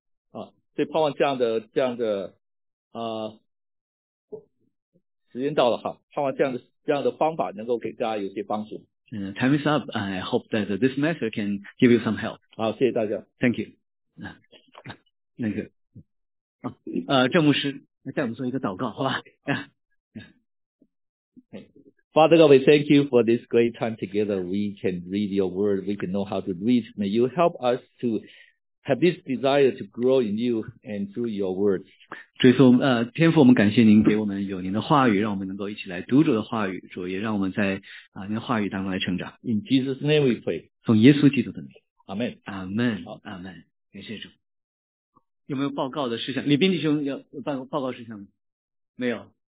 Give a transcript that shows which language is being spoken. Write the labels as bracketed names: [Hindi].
[Chinese] 啊，所以盼望这样的时间到了哈，盼望这样的方法能够给大家有些帮助。 [English] Time is up. I hope that this method can give you some help. [Chinese] 好，谢谢大家。 [English] Thank you. [Chinese] 那个，郑牧师，带我们做一个祷告，好吧？ [English] Father God, we thank you for this great time together. We can read your word. We can know how to read. May you help us to have this desire to grow in you and through your word. [Chinese] 主耶稣，天父，我们感谢您给我们有您的话语，让我们能够一起来读主的话语。主也让我们在您的话语当中来成长。 [English] In Jesus' name we pray. [Chinese] 从耶稣基督的名。 [English] Amen. Amen. Amen. [Chinese] 感谢主。有没有报告的事项？李斌弟兄要办报告事项吗？没有。